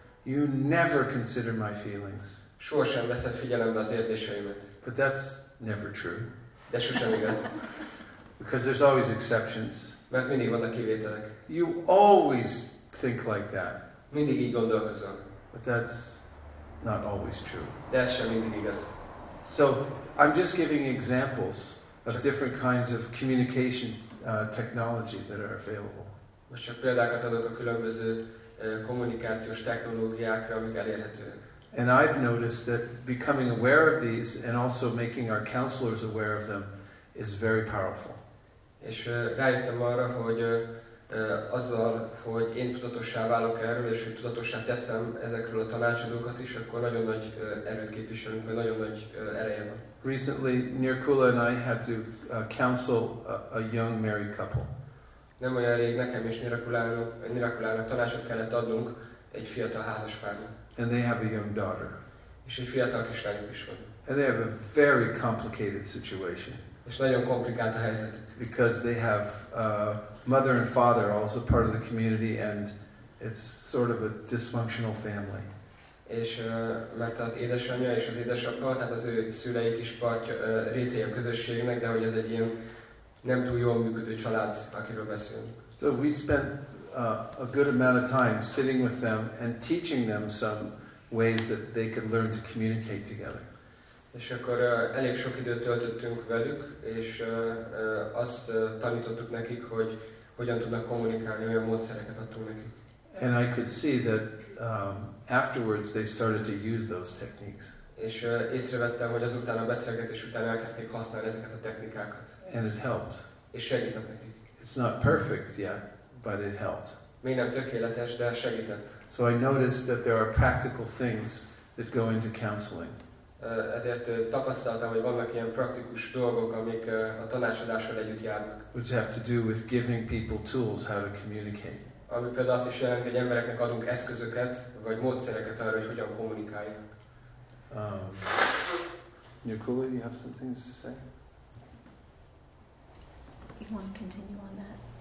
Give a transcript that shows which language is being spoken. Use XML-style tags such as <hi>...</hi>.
<en>You never consider my feelings.</en> <hu>Sohasem veszed figyelembe az érzéseimet.</hu> <en>But that's never true.</en> <hu>De sosem igaz.</hu> <en>Because there's always exceptions.</en> <hu>Mert mindig vannak kivételek.</hu> <en>You always think like that.</en> <hu>Mindig így gondolkozol.</hu> <en>But that's not always true.</en> <hu>De ez sem mindig igaz.</hu> <en>So, I'm just giving examples of different kinds of communication technology that are available.</en> <hu>Most csak példákat adok a különböző kommunikációs technológiákra, amik elérhetőek.</hu> <en>And I've noticed that becoming aware of these and also making our counselors aware of them is very powerful.</en> <hu>És rájöttem arra, hogy azzal, hogy én tudatossá válok erről, és hogy tudatossá teszem ezekről a tanácsadókat is, akkor nagyon nagy erőt képviselünk, vagy nagyon nagy ereje van.</hu> <en>Recently, Nirkula and I had to counsel a young married couple.</en> <hu>Nem olyan rég nekem és Nirkulának tanácsot kellett adnunk egy fiatal házaspárnak.</hu> <en>And they have a young daughter.</en> <hu>És egy fiatal kislányuk is van.</hu> <en>And they have a very complicated situation.</en> <hu>És nagyon komplikált a helyzet.</hu> <en>Because they have mother and father also part of the community, and it's sort of a dysfunctional family.</en> <hu>És mert az édesanyja és az édesapja, tehát az ő szüleik is partja részei a közösségnek, de hogy ez egy ilyen nem túl jól működő család, akiről beszélünk.</hu> <en>So we spent a good amount of time sitting with them and teaching them some ways that they could learn to communicate together.</en> <hu>És akkor elég sok időt töltöttünk velük, és azt tanítottuk nekik, hogy hogyan tudnak kommunikálni, olyan módszereket adtunk nekik.</hu> <en>And I could see that afterwards they started to use those techniques.</en> <hu>És észrevettem, hogy azután a beszélgetés után elkezdték használni ezeket a technikákat.</hu> <en>And it helped.</en> <hu>És segített nekik.</hu> <en>It's not perfect yet, but it helped.</en> <hu>Még nem tökéletes, de segített.</hu> <en>So I noticed that there are practical things that go into counseling.</en> <hu>Ezért tapasztaltam, hogy vannak ilyen praktikus dolgok, amik a tanácsadással együtt járnak.</hu> <en>Which have to do with giving people tools how to communicate.</en> <hu>Ami például azt is jelenti, hogy embereknek adunk eszközöket, vagy módszereket arra, hogy hogyan kommunikáljunk.</hu> <en>Nicole, you have some things to say? You want to continue on that?</en>